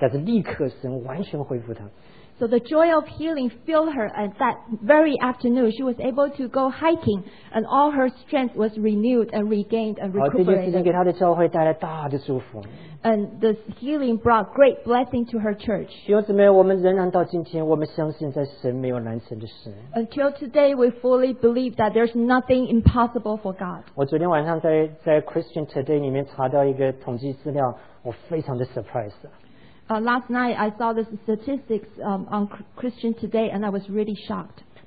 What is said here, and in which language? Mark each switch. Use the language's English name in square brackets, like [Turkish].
[Chinese] 弟兄姊妹，那个医治的喜乐充满她。她那一天下午，她就可以出去爬山。她不仅仅病好了，她整个体力6年躺在床上，但是立刻神完全恢复她。 [English] So the joy of healing filled her, and that very afternoon she was able to go hiking, and all her strength was renewed and regained and recuperated. And this healing brought great blessing to her church. Until today, we fully believe that there's nothing impossible for God. [Chinese] 我昨天晚上在 Christian Today里面查到一个统计资料， 我非常的 surprise。 [English] Last night, I saw the statistics on Christian Today, and I was really shocked.